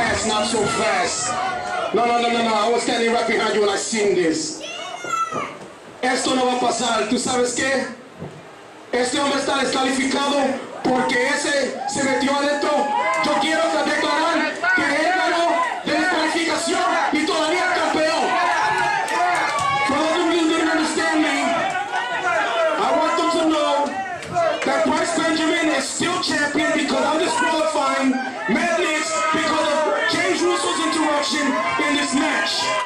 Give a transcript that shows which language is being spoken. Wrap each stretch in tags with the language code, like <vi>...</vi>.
<en>No, I was standing right behind you when I seen this.</en> <es>Esto no va a pasar, ¿tú sabes qué? Este hombre está descalificado porque ese se metió adentro. Yo quiero declarar que él ganó de descalificación y todavía es campeón.</es> <en>For those of you who didn't understand me, I want them to know that Bryce Benjamin is still champion because I'm disqualifying Madness because of Russo's interruption in this match.</en>